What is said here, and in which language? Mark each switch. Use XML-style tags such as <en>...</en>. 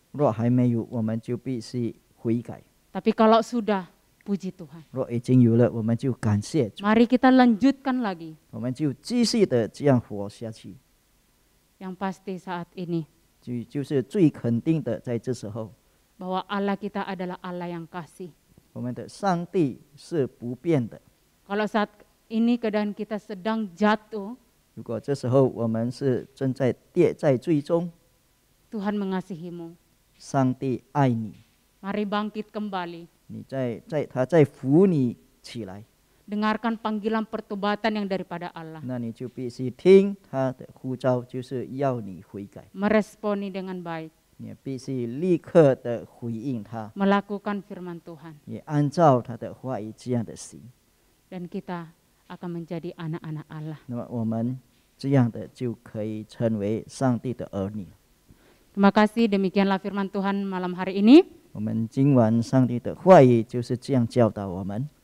<zh>若还没有，我们就必须悔改。</zh> <id>Tapi kalau sudah, puji Tuhan.</id> <zh>若已经有了，我们就感谢主。</zh> <id>Mari kita lanjutkan lagi.</id> <zh>我们就继续的这样活下去。</zh> <id>Yang pasti saat ini.</id> <zh>就是最肯定的在这时候。</zh> <id>Bahwa Allah kita adalah Allah yang kasih.</id> <zh>我们的上帝是不变的。</zh> <id>Kalau saat ini keadaan kita sedang jatuh.</id> <zh>如果这时候我们是正在跌在最终。</zh> <id>Tuhan mengasihimu.</id> <zh>上帝爱你。</zh> <id>Mari bangkit kembali.</id> <zh>你在他在扶你起来。</zh> <id>Dengarkan panggilan pertobatan yang daripada Allah.</id> <zh>那你就必须听他的呼召，就是要你悔改。</zh> <id>Meresponi dengan baik.</id> <zh>你必须立刻的回应他。</zh> <id>Melakukan firman Tuhan.</id> <zh>也按照他的话语这样的行。</zh> <id>Dan kita akan menjadi anak-anak Allah.</id> <zh>那么我们这样的就可以成为上帝的儿女。</zh> <id>Terima kasih, demikianlah firman Tuhan malam hari ini.</id> <zh>我们今晚上帝的话语就是这样教导我们。</zh>